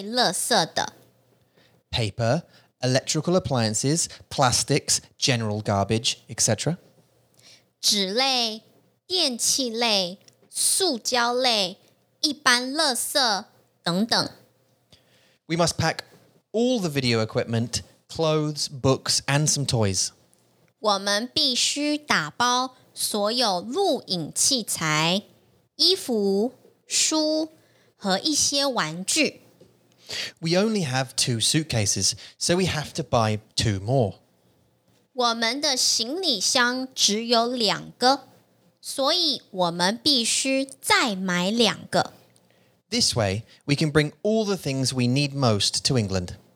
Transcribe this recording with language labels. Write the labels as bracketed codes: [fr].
[zh] 我们去了大超市，拿了很多免费箱子。这些箱子是用来分类垃圾的。 [en] Paper, electrical appliances, plastics, general garbage, etc. [zh] 纸类、电器类、塑胶类、一般垃圾。 [en] We must pack all the video equipment, clothes, books, and some toys. [zh] 我们必须打包所有录影器材、衣服、书和一些玩具。 [en] We only have two suitcases, so we have to buy two more. [zh] 我们的行李箱只有两个，所以我们必须再买两个。 [en] This way, we can bring all the things we need most to England.